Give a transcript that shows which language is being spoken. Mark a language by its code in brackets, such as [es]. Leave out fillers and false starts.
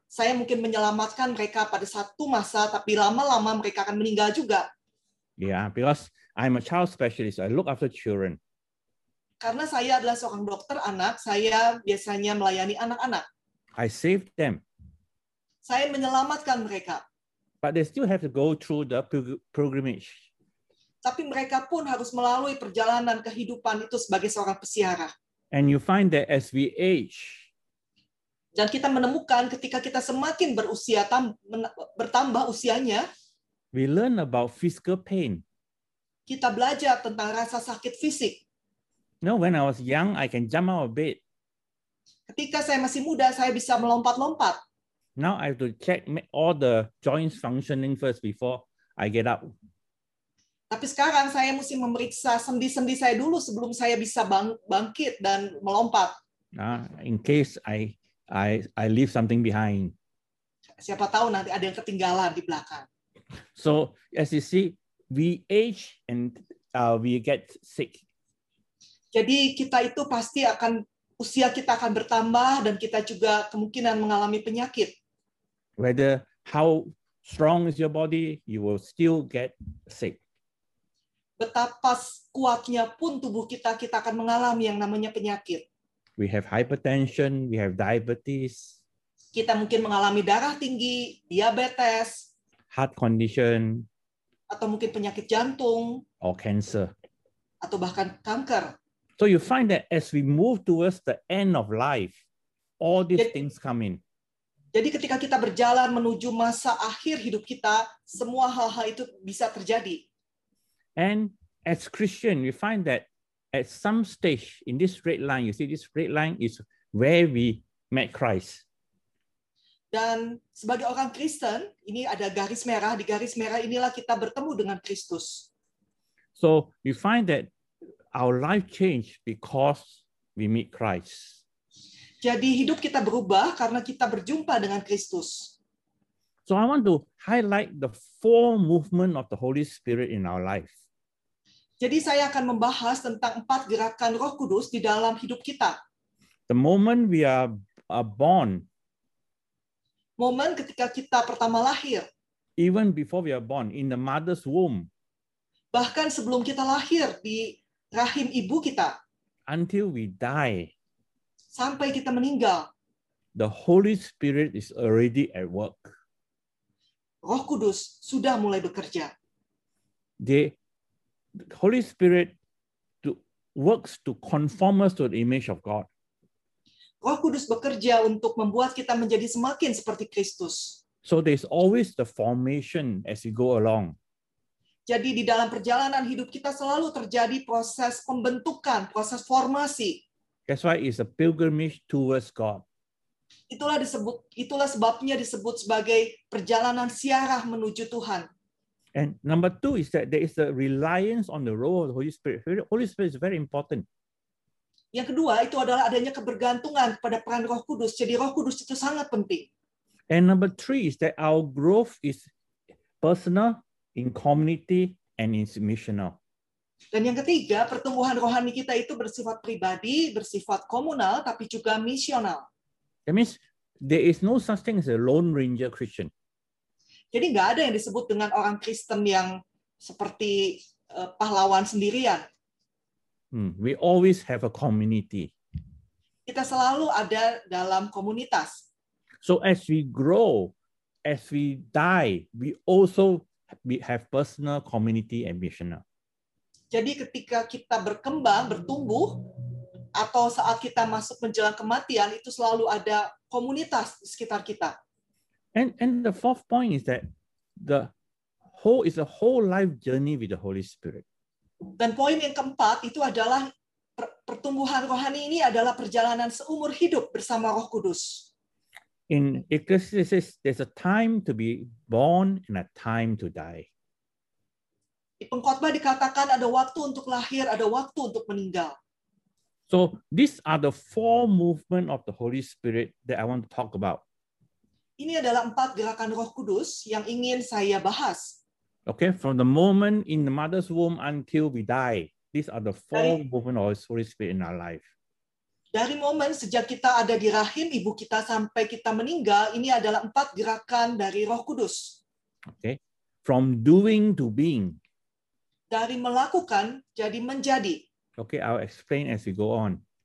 [id] Saya mungkin menyelamatkan mereka pada satu masa, tapi lama-lama mereka akan meninggal juga. [en] Yeah, because I'm a child specialist. I look after children. [id] Karena saya adalah seorang dokter anak, saya biasanya melayani anak-anak. [en] I save them. [id] Saya menyelamatkan mereka. [en] But they still have to go through the pilgrimage. [id] Tapi mereka pun harus melalui perjalanan kehidupan itu sebagai seorang pesiarah. [en] And you find that as we age, [id] dan kita menemukan ketika kita semakin berusia bertambah usianya, [en] we learn about physical pain. [id] Kita belajar tentang rasa sakit fisik. [en] No, when I was young, I can jump out of bed. [id] Ketika saya masih muda, saya bisa melompat-lompat. [en] Now I have to check all the joints functioning first before I get up. [id] Tapi sekarang saya mesti memeriksa sendi-sendi saya dulu sebelum saya bisa bangkit dan melompat. [en] In case I leave something behind. [id] Siapa tahu nanti ada yang ketinggalan di belakang. [en] So as you see, we age and we get sick. [id] Jadi kita itu pasti akan usia kita akan bertambah dan kita juga kemungkinan mengalami penyakit. [en] Whether how strong is your body, you will still get sick. [id] Betapa kuatnya pun tubuh kita, kita akan mengalami yang namanya penyakit. [en] We have hypertension, we have diabetes. [id] Kita mungkin mengalami darah tinggi, diabetes. [en] Heart condition. [id] Atau mungkin penyakit jantung. [en] Or cancer. [id] Atau bahkan kanker. [en] So you find that as we move towards the end of life, all these things come in. [id] Jadi ketika kita berjalan menuju masa akhir hidup kita, semua hal-hal itu bisa terjadi. [en] And as Christian, we find that at some stage in this red line, you see this red line is where we met Christ. [id] Dan sebagai orang Kristen, ini ada garis merah. Di garis merah inilah kita bertemu dengan Kristus. [en] So you find that our life changed because we meet Christ. [id] Jadi hidup kita berubah karena kita berjumpa dengan Kristus. [en] So I want to highlight the four movement of the Holy Spirit in our life. [id] Jadi saya akan membahas tentang empat gerakan Roh Kudus di dalam hidup kita. [en] The moment we are born. [id] Momen ketika kita pertama lahir. [en] Even before we are born, in the mother's womb. [id] Bahkan sebelum kita lahir di rahim ibu kita. [en] Until we die. [id] Sampai kita meninggal. [en] The Holy Spirit is already at work. [id] Roh Kudus sudah mulai bekerja. [en] The Holy Spirit works to conform us to the image of God. [id] Roh Kudus bekerja untuk membuat kita menjadi semakin seperti Kristus. [en] So there's always the formation as we go along. [id] Jadi di dalam perjalanan hidup kita selalu terjadi proses pembentukan, proses formasi. [en] That's why it's a pilgrimage towards God. [id] Itulah sebabnya disebut sebagai perjalanan siarah menuju Tuhan. [en] And number two is that there is a reliance on the role of the Holy Spirit. The Holy Spirit is very important. [id] Yang kedua itu adalah adanya kebergantungan kepada peran Roh Kudus. Jadi Roh Kudus itu sangat penting. [en] And number three is that our growth is personal, in community, and in missional. [id] Dan yang ketiga, pertumbuhan rohani kita itu bersifat pribadi, bersifat komunal, tapi juga misional. [en] That means there is no such thing as a lone ranger Christian. [id] Jadi nggak ada yang disebut dengan orang Kristen yang seperti pahlawan sendirian. [en] We always have a community. [id] Kita selalu ada dalam komunitas. [en] So as we grow, as we die, we also have personal, community, and missional. [id] Jadi ketika kita berkembang, bertumbuh, atau saat kita masuk menjelang kematian, itu selalu ada komunitas di sekitar kita. [en] And the fourth point is that the whole life journey with the Holy Spirit. [id] Dan poin yang keempat itu adalah pertumbuhan rohani ini adalah perjalanan seumur hidup bersama Roh Kudus. [en] In Ecclesiastes, there's a time to be born and a time to die. [id] Di Pengkhotbah dikatakan ada waktu untuk lahir, ada waktu untuk meninggal. [en] So these are the four movement of the Holy Spirit that I want to talk about. [id] Ini adalah empat gerakan Roh Kudus yang ingin saya bahas. [en] Okay, from the moment in the mother's womb until we die, these are the four movement of the Holy Spirit in our life. [id] Dari momen sejak kita ada di rahim ibu kita sampai kita meninggal, ini adalah empat gerakan dari Roh Kudus. [en] Okay, from doing to being. [id] Dari melakukan jadi menjadi. [en] Okay, I'll explain as we go on.